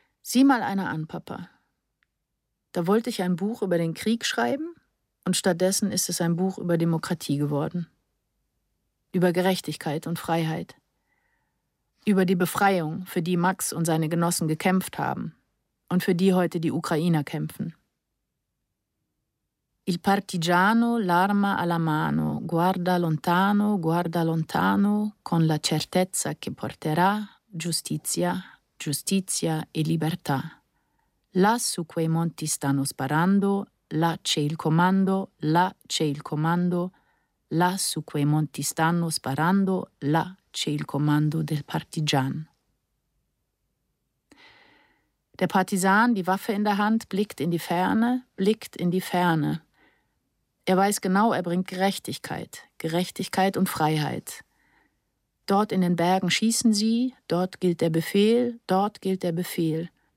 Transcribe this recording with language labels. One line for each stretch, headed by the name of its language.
German: Sieh mal einer an, Papa. Da wollte ich ein Buch über den Krieg schreiben und stattdessen ist es ein Buch über Demokratie geworden. Über Gerechtigkeit und Freiheit. Über die Befreiung, für die Max und seine Genossen gekämpft haben und für die heute die Ukrainer kämpfen.
Italian: Il partigiano l'arma alla mano, guarda lontano con la certezza che porterà giustizia, giustizia e libertà. Là su quei monti stanno sparando, là c'è il comando, là c'è il comando, là su quei monti stanno sparando, là c'è il comando del partigian.
German: Der Partisan, die Waffe in der Hand, blickt in die Ferne. Er weiß genau, er bringt Gerechtigkeit, Gerechtigkeit und Freiheit. Dort in den Bergen schießen sie, dort gilt der Befehl, dort gilt der Befehl.